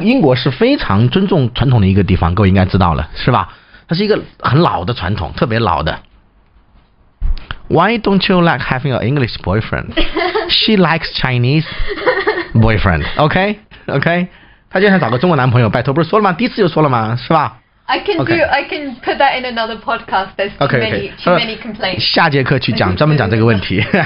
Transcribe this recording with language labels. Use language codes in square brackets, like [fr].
[zh] 英国是非常尊重传统的一个地方，各位应该知道了，是吧？它是一个很老的传统，特别老的。 [en] Why don't you like having an English boyfriend? She likes Chinese boyfriend. Okay. [zh] 她就想找个中国男朋友，拜托，不是说了吗？第一次就说了吗？是吧 [en] ？I can put that in another podcast. There's too many, too many complaints. [zh] 下节课去讲，专门讲这个问题。